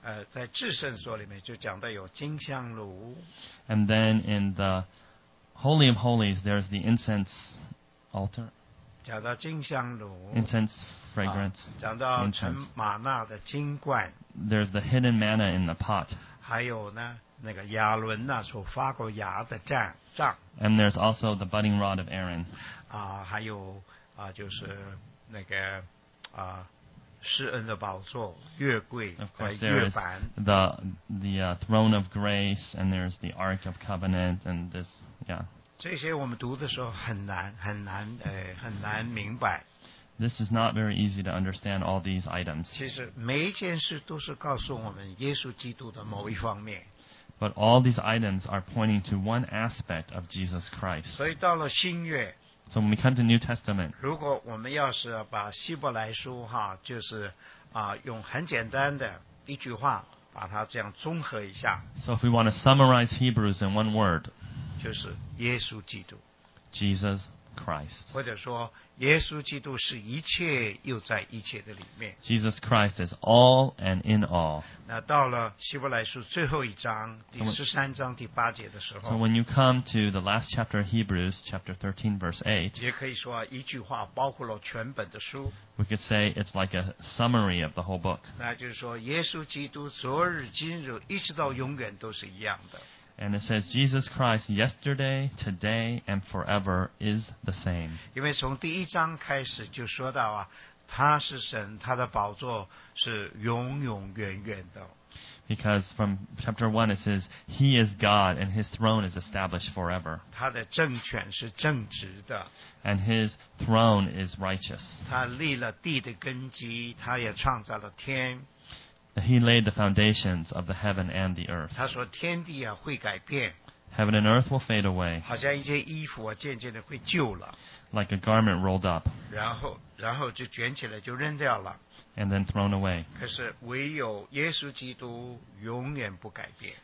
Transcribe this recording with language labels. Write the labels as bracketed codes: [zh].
[zh] 在至圣所里面就讲到有金香炉。 [en] And then in the Holy of Holies, there's the incense altar. [zh] 讲到金香炉。 [en] Incense fragrance. [zh] 讲到陈玛纳的金罐。 [en] There's the hidden manna in the pot. [zh] 还有呢，那个亚伦呐所发过芽的杖。 [en] And there's also the budding rod of Aaron. [zh] 还有就是那个施恩的宝座，月柜，月板。 [en] The throne of grace, and there's the ark of covenant, and this, yeah. [zh] 这些我们读的时候很难明白。 [en] This is not very easy to understand all these items. [zh] 其实每一件事都是告诉我们耶稣基督的某一方面。 [en] But all these items are pointing to one aspect of Jesus Christ. [zh] 所以到了新约。 [en] So when we come to New Testament, [zh] 如果我们要是把希伯来书哈，就是用很简单的一句话把它这样综合一下。 [en] So if we want to summarize Hebrews in one word, [zh] 就是耶稣基督。 [en] Jesus Christ. [zh] 或者说，耶稣基督是一切又在一切的里面。 [en] Jesus Christ is all and in all. [zh] 那到了希伯来书最后一章第十三章第八节的时候。 [en] So when you come to the last chapter of Hebrews, chapter 13, verse 8. [zh] 也可以说一句话包括了全本的书。 [en] We could say it's like a summary of the whole book. [zh] 那就是说，耶稣基督昨日今日一直到永远都是一样的。 [en] And it says, Jesus Christ yesterday, today, and forever is the same. [zh] 因为从第一章开始就说到啊，他是神，他的宝座是永永远远的。 [en] Because from chapter 1 it says, He is God and His throne is established forever. [zh] 他的政权是正直的。 [en] And His throne is righteous. [zh] 他立了地的根基，他也创造了天。 [en] He laid the foundations of the heaven and the earth. [zh] 他说天地啊会改变。 [en] Heaven and earth will fade away. [zh] 好像一件衣服啊渐渐的会旧了。 [en] Like a garment rolled up. [zh] 然后就卷起来就扔掉了。 [en] And then thrown away. [zh] 可是唯有耶稣基督永远不改变。